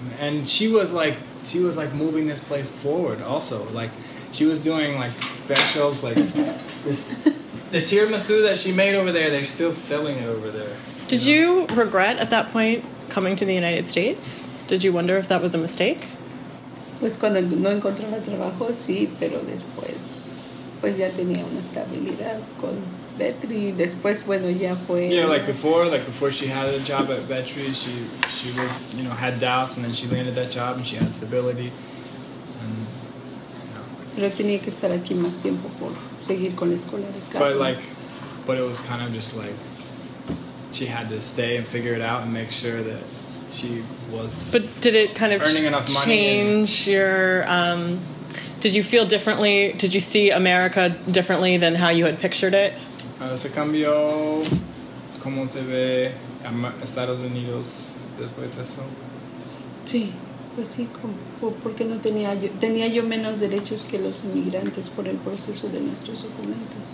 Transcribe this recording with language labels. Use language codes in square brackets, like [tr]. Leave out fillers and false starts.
[en] And she was like moving this place forward also. Like she was doing like specials, like the tiramisu that she made over there, they're still selling it over there. Did you regret at that point coming to the United States? Did you wonder if that was a mistake? [es] Pues cuando no encontraba trabajo, sí, pero después, pues ya tenía una estabilidad con Vetri. Después, bueno, ya fue. [en] Yeah, like before she had a job at Vetri, she was, you know, had doubts, and then she landed that job and she had stability. [es] Pero tenía que estar aquí más tiempo por seguir con la escuela de carro. [en] But it was kind of just like, she had to stay and figure it out and make sure that she was. But did it kind of earning enough money change in, your? Did you feel differently? Did you see America differently than how you had pictured it? [es] Se cambió cómo te ve Estados Unidos después de eso. Sí, pues sí, como porque no tenía yo menos derechos que los inmigrantes por el proceso de nuestros documentos.